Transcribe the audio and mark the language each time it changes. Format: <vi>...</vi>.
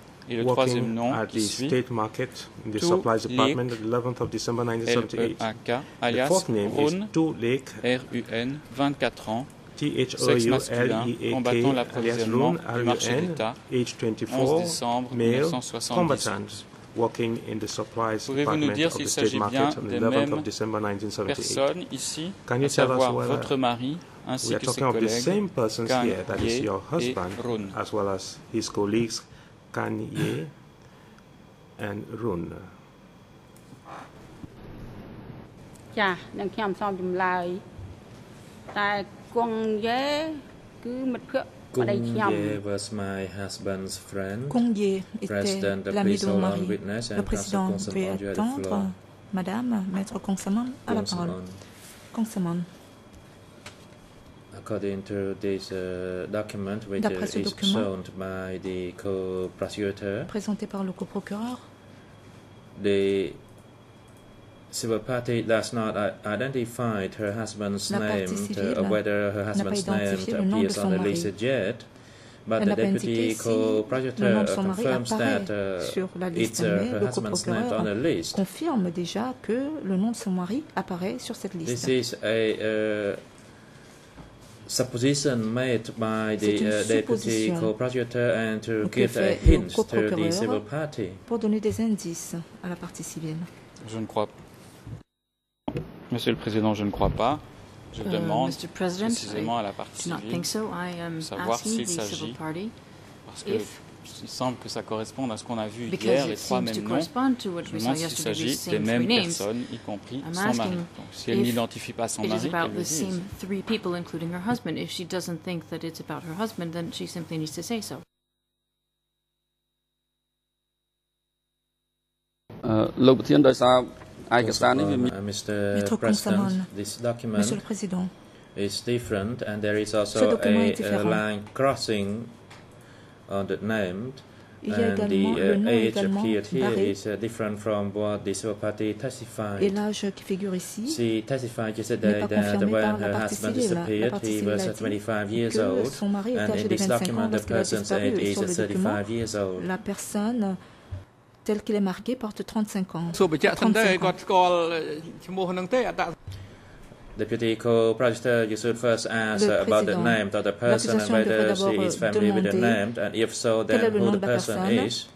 <fr>Et le troisième nom qui suit, L-E-A-K, alias Run, R-U-N, 24 ans, sexe masculin, combattant l'approvisionnement du marché d'État, 11 décembre 1978.</fr> <en>Working in the supplies department of the state market on the 11th of December 1978. Can you tell us whether we are talking of the same persons here, that is your husband, as well as his colleagues, Kang Ye and Run? Kung Ye was my husband's friend.</en> <fr>Kung Ye était l'ami de mon mari. Le président devait attendre Madame Maître Consamon à la parole. Consamon.</fr> <en>According to this document, which is shown by the co-procurator,</en> <fr>présenté par le coprocureur,</fr> <en>the civil party does not identify her husband's name or whether her husband's name appears on the list yet, but the deputy co-procurator confirms that it's her husband's name on the list.</en> <fr>Confirme déjà que le nom de son mari apparaît sur cette liste.</fr> <en>This is a supposition made by the deputy co-procurator and to give a hint to the civil party.</en> <fr>Pour donner des indices à la partie civile. Je ne crois pas. Monsieur le Président, je ne crois pas. Je demande précisément à la partie civile savoir s'il s'agit, parce qu'il semble que ça corresponde à ce qu'on a vu hier, les trois mêmes noms. Je demande s'il s'agit des mêmes personnes, y compris son mari. Donc, si elle n'identifie pas son mari, qu'elle le dise. Si elle ne pense pas que c'est sur son mari, alors elle doit simplement dire ça.</fr> <en>Mr. President, this document is different, and there is also a line crossing on the name, and the age appeared here is different from what the civil party testified.</en> <fr>Et l'âge qui figure ici,</fr> <en>she testified yesterday that when her husband disappeared, he was 25 years old, and in this document, the person's age is 35 years old.</en> <fr>La personne tel qu'il est marqué, porte 35 ans.</fr> <en>Deputy co-procurator, you should first ask about the name of the person and whether she is familiar with the name, and if so, then who the person is.</en>